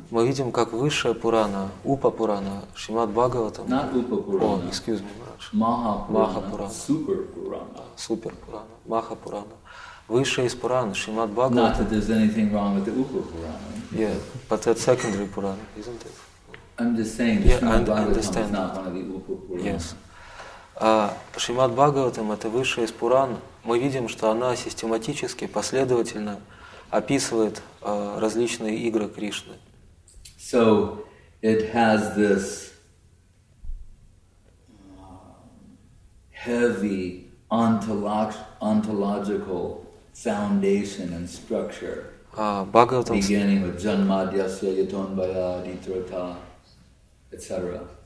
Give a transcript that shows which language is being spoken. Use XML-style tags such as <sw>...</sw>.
<ru>Мы видим, как высшая Пурана, Упа Пурана, Шримад Бхагаватам.</ru> <en>Not Upa Purana. Oh, excuse me.</en> <ru>Махапурана, Суперпурана, Махапурана, высшая из Пурана, Шримад Бхагаватам.</ru> <en>Not that there's anything wrong with the Upapurana. Yeah, but that's secondary Purana, isn't it? I'm just saying, yeah, Shrimad Bhagavatam is not one of the Upapurana. Yes.</en> <ru>Шримад Бхагаватам — это высшая из Пуран. Мы видим, что она систематически, последовательно описывает различные игры Кришны.</ru> <en>So it has this heavy ontological foundation and structure, beginning with Janmadyasya Yatonbaya Aditrata, etc.</en>